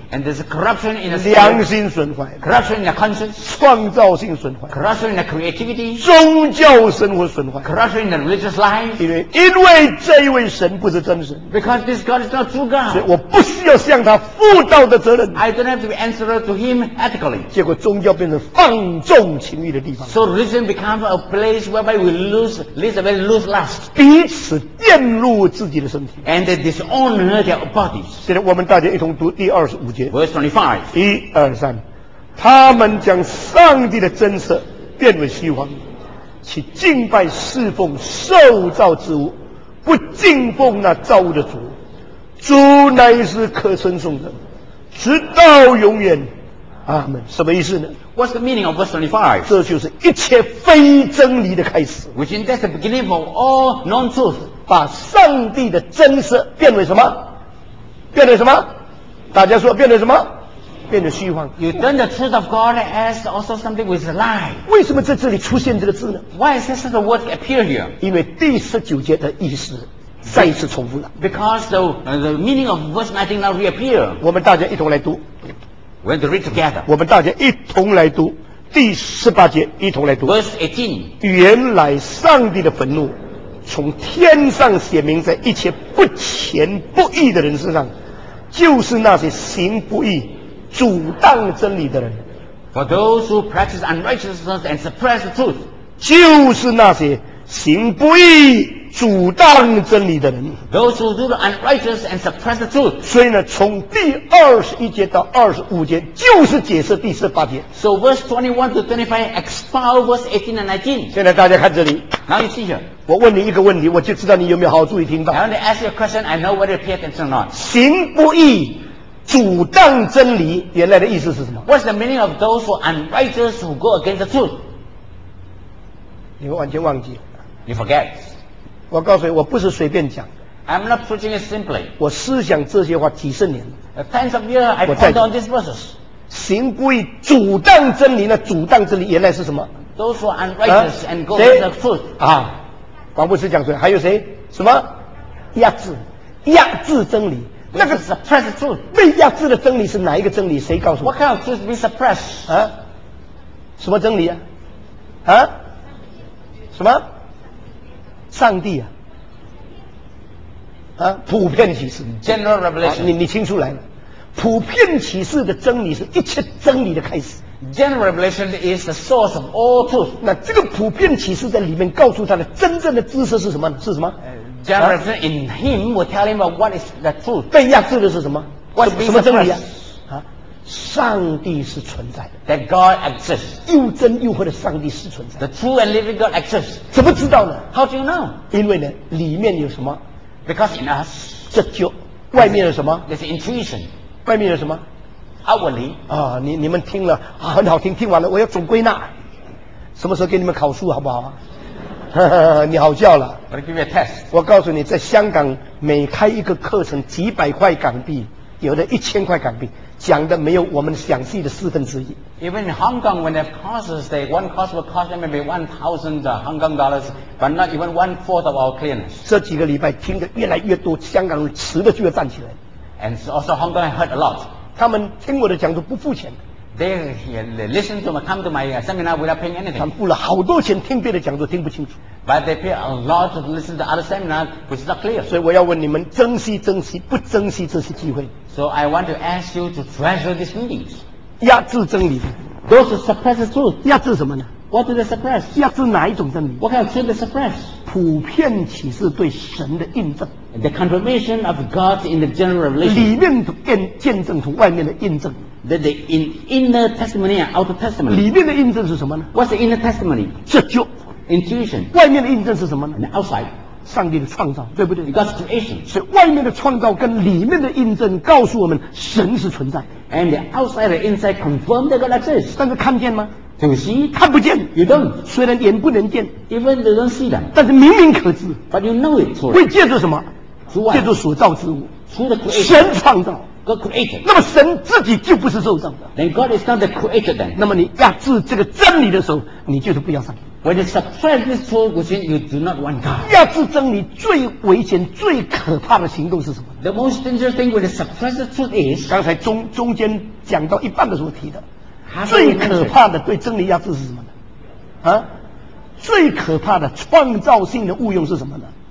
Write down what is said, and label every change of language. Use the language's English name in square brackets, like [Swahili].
[English] and there's a corruption in the spirit， [Chinese] 良心损坏， [English] corruption in the conscience， [Chinese] 创造性损坏， [English] corruption in the creativity， [Chinese] 宗教生活损坏， [English] corruption in the religious life。 [Chinese] 因为这一位神不是真神， [English] because this God is not true God， [Chinese] 所以我不需要向他负道德责任， [English] I don't have to be answerable to him ethically。 [Chinese] 结果宗教变成放纵情欲的地方， [English] so religion becomes a place whereby we lose lust， [Chinese] 彼此玷污自己的身体， [English] and they dishonor their bodies。 [Chinese] 现在我们大家一同读第二十五节， [English] verse 25。 [Chinese] 一二三，他们将上帝的真实变为虚妄，去敬拜侍奉受造之物，不敬奉那造物的主。主乃是可称颂的，直到永远，阿们。什么意思呢？ [English] What's the meaning of verse 25? [Chinese] 这就是一切非真理的开始， [English] which is that's the beginning of all non-truth。 [Chinese] 把上帝的真实变为什么？变为什么？大家说变为什么？变得虚妄。 [English] You turn the truth of God as also something with a lie. [Chinese] 为什么在这里出现这个字呢？ [English] Why is this the word appear here? [Chinese] 因为第十九节的意思再一次重复了。 [English] Because the meaning of verse 19 now reappear. [Chinese] 我们大家一同来读。 [English] We have to read together. [Chinese] 我们大家一同来读第十八节，一同来读。 [English] Verse 18. [Chinese] 原来上帝的愤怒从天上显明在一切不虔不义的人身上，就是那些行不义、阻挡真理的人。 [English] For those who practice unrighteousness and suppress the truth， [Chinese] 就是那些行不义、阻挡真理的人。 [English] Those who do the unrighteous and suppress the truth。 [Chinese] 所以呢，从第二十一节到二十五节就是解释第十八节。 [English] So verse 21 to 25 expound verse 18 and 19。 [Chinese] 现在大家看这里。 [English] Now you see here， [Chinese] 我问你一个问题，我就知道你有没有好好注意听到。 [English] I want to ask you a question， I know whether you pay attention or not。 [Chinese] 行不义、阻挡真理，原来的意思是什么？ [English] What's the meaning of those who are unrighteous who go against the truth？ [Chinese] 你会完全忘记。 [English] You forget。 [Chinese] 我告诉你，我不是随便讲的。 [English] I'm not preaching it simply。 [Chinese] 我思想这些话几十年。 [English] Tens of years I pondered on these verses。 [Chinese] 行不义、阻挡真理，那阻挡真理原来是什么？ [English] Those who are unrighteous and go against the truth。 [Chinese] 啊，王牧师讲出来。还有谁？什么？压制真理。那个 [English] suppress truth， [Chinese] 被压制的真理是哪一个真理？谁告诉我 [English] ？What kind of truth we suppress？ [Chinese] 啊？什么真理啊？啊？什么？上帝啊？啊？普遍启示 [English] ，General Revelation、 [Chinese] 啊。你听出来了？普遍启示的真理是一切真理的开始。 [English] General Revelation is the source of all truth。 [Chinese] 那这个普遍启示在里面告诉他的真正的知识是什么呢？是什么？ [English] General Revelation in him will tell him about what is the truth。 [Chinese] 被压制的是什么？ [English] What's [Chinese] 什么真理啊？啊，上帝是存在的。 [English] That God exists。 [Chinese] 又真又活的上帝是存在的。 [English] The true and living God exists。 [Chinese] 怎么知道呢 [English] ？How do you know？ [Chinese] 因为呢，里面有什么 [English] ？Because in us。 [Chinese] 这就外面有什么 [English] ？There's intuition。 [Chinese] 外面有什么？ [English] Outwardly， [Chinese] 啊，你们听了、啊、很好听，听完了我要总归纳，什么时候给你们考书好不好、啊？你好叫了。 [English] I'll give you a test。 [Chinese] 我告诉你，在香港每开一个课程几百块港币，有的一千块港币，讲的没有我们详细的四分之一。 [English] Even in Hong Kong, when they have courses, they one course will cost them maybe 1,000 Hong Kong dollars, but not even 1/4 of our clients。 [Chinese] 这几个礼拜听得越来越多，香港人迟的就要站起来。 [English] And so also Hong Kong heard a lot。 [Chinese] 他们听我的讲座不付钱 [English] they listen to me, come to my seminar without paying anything。 [Chinese] 他们付了好多钱听别的讲座听不清楚 [English] but they pay a lot to listen to other seminar which is not clear。 [Chinese] 所以我要问你们珍惜不珍惜这些机会。 [English] So I want to ask you to treasure these meetings。 [Chinese] 压制真理 [English] Those who suppress the truth。 [Chinese] 压制什么呢？ [English] What do they suppress？ [Chinese] 压制哪一种真理？ [English] What kind of truth they suppress？ [Chinese] 普遍启示对神的印证。 [English] The confirmation of God in the general revelation。 [Chinese] 里面的见证从外面的印证。 [English] The inner testimony and outer testimony。 [Chinese] 里面的印证是什么呢？ [English] What's the inner testimony？ [Chinese] 这就 [English] intuition。 [Chinese] 外面的印证是什么呢？ [English] And outside。 [Chinese] 上帝的创造，对不对？ [English] God's creation。 [Chinese] 所以外面的创造跟里面的印证告诉我们神是存在。 [English] And the outside and inside confirm that God exists。 [Chinese] 但是看见吗？ [English] Do you see？ [Chinese] 看不见。 [English] You don't。 [Chinese] 虽然眼不能见。 [English] Even they don't see them。 [Chinese] 但是明明可知。 [English] But you know it。 [Chinese] 会借助什么？借助所造之物， [English] the creator, [Chinese] 神创造 [English] ，God created。 [Chinese] 那么神自己就不是受造的。 [English] Then God is not the creator. Then， [Chinese] 那么你压制这个真理的时候，你就是不要上帝。 [English] When you suppress this truth, which means you do not want God。 [Chinese] 压制真理最危险、最可怕的行动是什么 [English] ？The most dangerous thing when you suppress the truth is。 [Chinese] 刚才中间讲到一半的时候提的，最可怕的对真理压制是什么呢？啊，最可怕的创造性的误用是什么呢？